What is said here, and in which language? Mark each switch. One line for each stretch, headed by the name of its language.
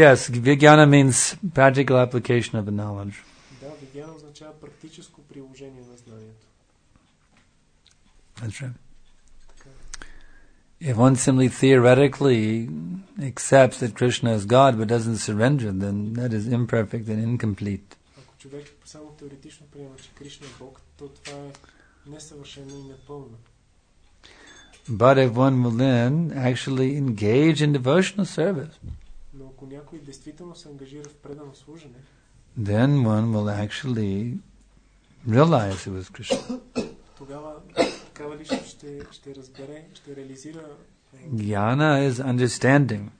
English: Yes, vijnana means practical application of the knowledge.
Bulgarian: Да, vijnana означава практическо приложение на знанието.
English: That's right. If one simply theoretically accepts that Krishna is God but doesn't surrender, then that is imperfect and incomplete.
Bulgarian: Ако човек само теоретично приема, че Кришна е Бог, то това е несъвършено и непълно.
English: But if one will then actually engage in devotional service,
Bulgarian: но ако някой действително се ангажира в предано служене,
English: then one will actually realize it was Krishna.
Bulgarian: Тогава такава личност ще разбере, ще реализира.
English: Jnana is understanding.